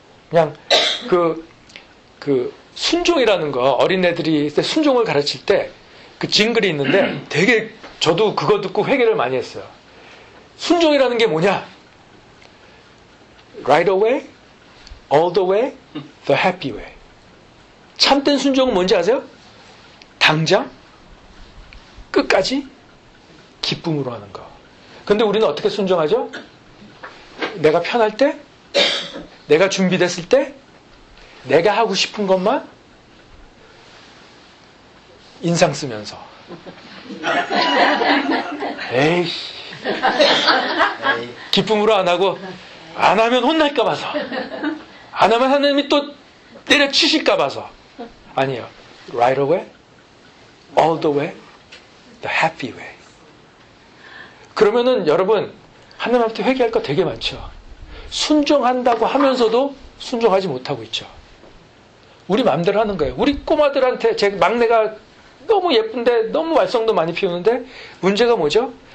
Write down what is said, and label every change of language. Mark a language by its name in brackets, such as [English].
[Korean] 그냥 그 순종이라는 거 어린애들이 순종을 가르칠 때 그 징글이 있는데 되게 저도 그거 듣고 회개를 많이 했어요. 순종이라는 게 뭐냐? [English] Right away, all the way, the happy way. [Korean] 참된 순종은 뭔지 아세요? 당장, 끝까지, 기쁨으로 하는 거. 근데 우리는 어떻게 순종하죠? 내가 편할 때, 내가 준비됐을 때, 내가 하고 싶은 것만 인상 쓰면서. 에이씨. 기쁨으로 안 하고, 안 하면 혼날까 봐서. 안 하면 하나님이 또 때려치실까 봐서. 아니요. [English] Right away, all the way, the happy way. [Korean] 그러면은 여러분, 하나님한테 회개할 거 되게 많죠. 순종한다고 하면서도 순종하지 못하고 있죠. 우리 마음대로 하는 거예요. 우리 꼬마들한테, 제 막내가 너무 예쁜데, 너무 말썽도 많이 피우는데, 문제가 뭐죠?